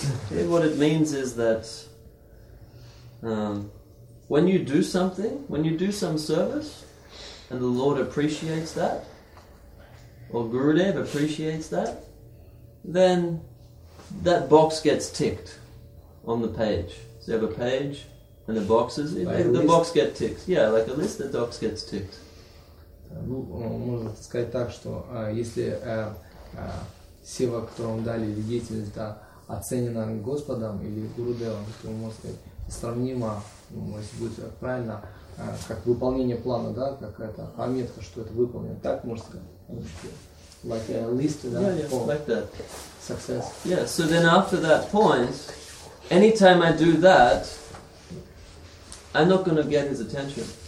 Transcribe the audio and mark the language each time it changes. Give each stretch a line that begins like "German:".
English: What it means is that when you do something, when you do some service, and the Lord appreciates that, or Gurudev appreciates that, then that box gets ticked on the page. So you have a page and the boxes, the box gets ticked. Yeah, like a list, the box gets ticked.
Russian: Можно сказать так, что если сева, которую он дали, или деятельность, да, оценена Господом или Гурудевом, то можно сказать, сравнимо, если будет правильно, как выполнение плана, да, какая-то пометка, что это выполнено. Так можно сказать.
English: Like a list of that success. Yeah, so then after that point, anytime I do that, I'm not going to get his attention.